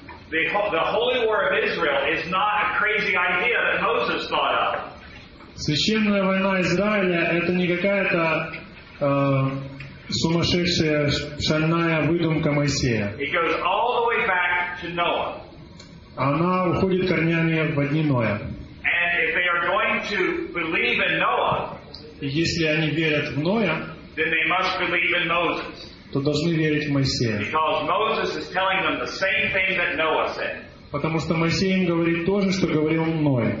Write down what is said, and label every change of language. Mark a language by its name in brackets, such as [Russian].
[English] The holy war of Israel is not a crazy idea that Moses thought of. [Russian] Священная война Израиля — это не какая-то сумасшедшая шальная выдумка Моисея. [English] It goes all the way back to Noah. [Russian] Она уходит корнями в дни Ноя. [English] And if they are going to believe in Noah, [Russian] если они верят в Ноя, [English] then they must believe in Moses. [Russian] То должны верить в Моисея. [English] Because Moses is telling them the same thing that Noah said. [Russian] Потому что Моисей им говорит то же, что говорил Ной.